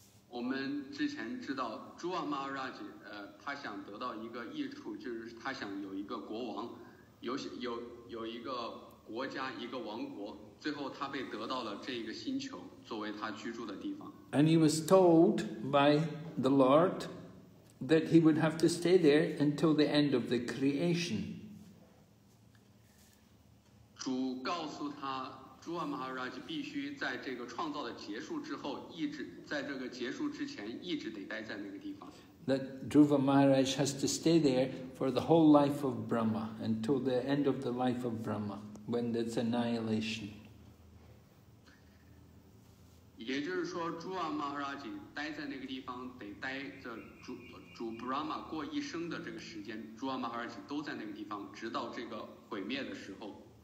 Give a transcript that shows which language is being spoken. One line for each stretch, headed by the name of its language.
Chinese: 我们之前知道 Dhruva Maharaj, 他想得到一个益处，就是他想有一个国王，有一个国家，一个王国。最后，他被得到了这个星球作为他居住的地方。
English: And he was told by the Lord that he would have to stay there until the end of the creation.
Chinese: 主告诉他，朱瓦马哈拉就必须在这个创造的结束之后，一直在这个结束之前，一直得待在那个地方。
English: That Dhruva Maharaj has to stay there for the whole life of Brahma, until the end of the life of Brahma, when there's annihilation.
Chinese: 也就是说 Dhruva Maharaj 待在那个地方得待着 主 Brahma 过一生的这个时间 Dhruva Maharaj 都在那个地方直到这个毁灭的时候。